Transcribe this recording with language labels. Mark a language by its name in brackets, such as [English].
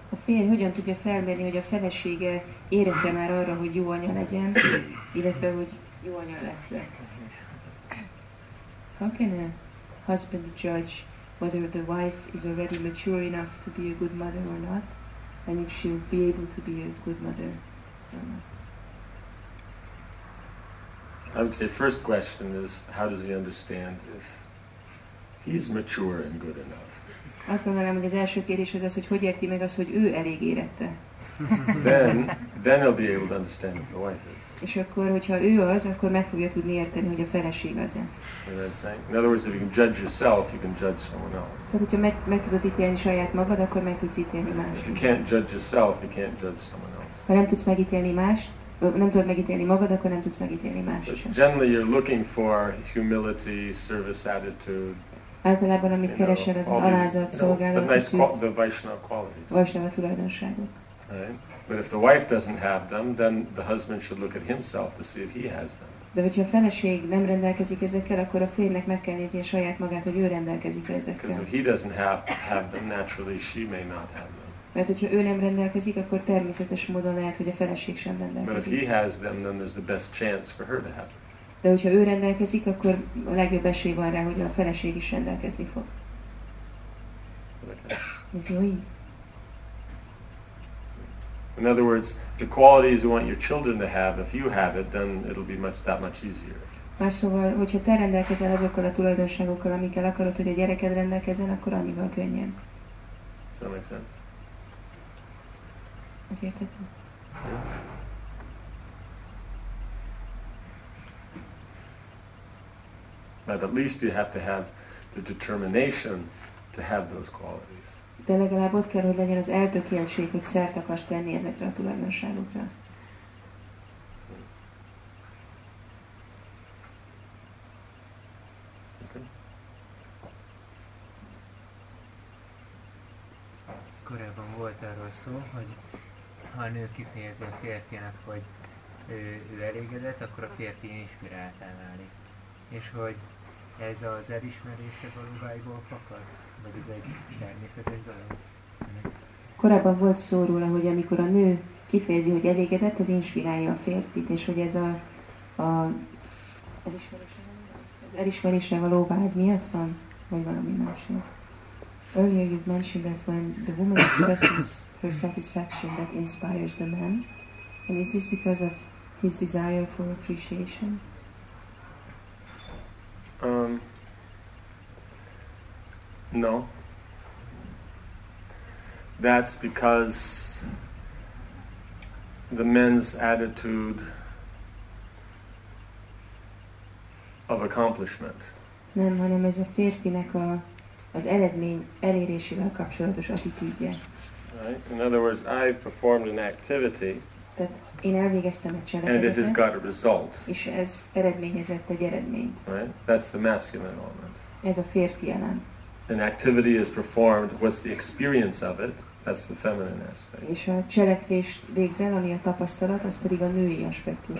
[Hungarian] Én hogyan tudja felmérni, hogy a felesége érezte már arra, hogy jó anya legyen, illetve hogy jó anya lesz-e? [English] How can a husband judge whether the wife is already mature enough to be a good mother or not, and if she will be able to be a good mother or not? I would say first question is, how does he understand if he's mature and good enough? [Hungarian] Azt gondolom, hogy az első kérdés az, hogy hogy érti meg az, hogy ő elég érette. [English] Then he'll be able to understand if the wife is. [Hungarian] És akkor, hogyha ő az, akkor meg fogja tudni érteni, hogy a feleség az-e. [English] In other words, if you can judge yourself, you can judge someone else. [Hungarian] Tehát, hogyha meg tudod ítélni saját magad, akkor meg tudsz ítélni mást. [English] If you can't judge yourself, you can't judge someone else. [Hungarian] Ha nem tudsz megítélni mást, nem tudod megítélni magad, akkor nem tudsz megítélni mást. [English] But generally, you're looking for humility, service attitude. [Hungarian] Általában, amit keresel, az alázat, szolgálat, [English] the Vaishnava qualities. [Hungarian] Vaishnava tulajdonságok. [English] But if the wife doesn't have them, then the husband should look at himself to see if he has them. [Hungarian] De hogyha a feleség nem rendelkezik ezekkel, akkor a férjnek meg kell nézni a saját magát, hogy ő rendelkezik ezekkel. [English] Because if he doesn't have them, naturally she may not have them. [Hungarian] Mert hogyha ő nem rendelkezik, akkor természetes módon lehet, hogy a feleség sem rendelkezik. [English] But if he has them, then there's the best chance for her to have them. [Hungarian] De hogyha ő rendelkezik, akkor a legjobb esély van rá, hogy a feleség is rendelkezni fog. Ez jó így? [English] In other words, the qualities you want your children to have, if you have it, then it'll be that much easier. [Hungarian] Más szóval, hogyha te rendelkezel azokkal a tulajdonságokkal, amikkel akarod, hogy a gyereked rendelkezzen, akkor annyival könnyen. [English] Does that make sense? [Hungarian] Ez érthető? [English] Yeah. But at least you have to have the determination to have those qualities. [Hungarian] De legalább ott kell, hogy legyen az eltökéltség, hogy szert akarsz tenni ezekre a tulajdonságokra. [English] Okay. [Hungarian] Korábban volt arról szó, hogy ha a nő kifejezi a férfinak, hogy ő elégedett, akkor a férfi inspiráltá válik. És hogy ez az elismerése valóvágyból fakad? Korábban volt szó róla, hogy amikor a nő kifejezi, hogy elégedett, az inspirálja a férfit, és hogy ez az elismerése való vágy miatt van, vagy valami másik. [English] Earlier you've mentioned that when the woman expresses her satisfaction, that inspires the man. And is this because of his desire for appreciation? No. That's because the men's attitude of accomplishment. [Hungarian] Nem, hanem ez a férfinek az eredmény elérésével kapcsolatos attitűdje. [English] Right. In other words, I performed an activity. [Hungarian] Tehát én elvégeztem egy cselekedetet. [English] And it has got a result. [Hungarian] És ez eredményezett egy eredményt. [English] Right. That's the masculine element. [Hungarian] Ez a férfi elem. [English] An activity is performed, what's the experience of it? That's the feminine aspect. [Hungarian] És a cselekvés végzel, ami a tapasztalat, az pedig a női aspektus.